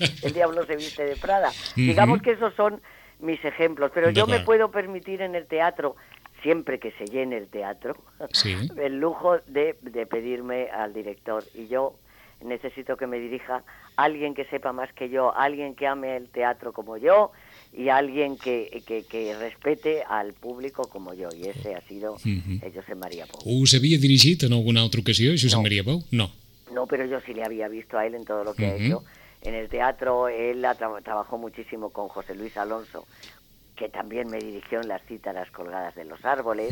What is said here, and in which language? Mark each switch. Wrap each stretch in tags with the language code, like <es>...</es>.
<es>El diablo se viste de Prada. Digamos que esos son mis ejemplos, pero yo me puedo permitir en el teatro, siempre que se llene el teatro, el lujo de pedirme al director. Y yo necesito que me dirija alguien que sepa más que yo, alguien que ame el teatro como yo y alguien que respete al público como yo. Y ese ha sido Josep Maria Pou.</es> <ca>¿Us havia dirigit en alguna altra ocasió, Josep Maria Pou?</ca> <es>No. No, pero yo sí le había visto a él en todo lo que ha hecho. En el teatro, él trabajó muchísimo con José Luis Alonso, que también me dirigió en Las cítaras colgadas de los árboles.</es>